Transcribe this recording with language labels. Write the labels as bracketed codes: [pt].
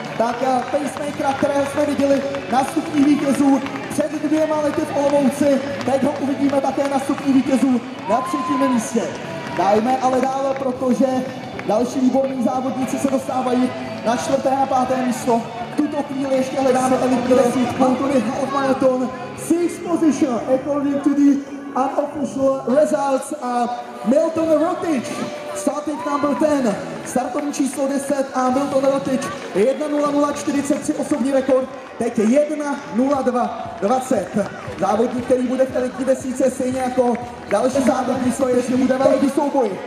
[cs] Tak pacemakera, kterého jsme viděli na stupních vítězů před dvěma lety v Olomouci, teď ho uvidíme také na stupních vítězů na 3. místě. Dajme ale dále, protože další výborní závodníci se dostávají na 4. a 5. místo. V tuto chvíli ještě hledáme elitní desítku. [en] Antony Half Marathon, 6th position according to the unofficial results. [cs] A Milton Rotic, [en] starting number 10, [cs] startovní číslo 10 a Milton Rotic, 1:00:43 osobní rekord, teď 1:02:20. Závodník, který bude v elitní desítce, stejně jako další závodní, co ještě bude velký souboj.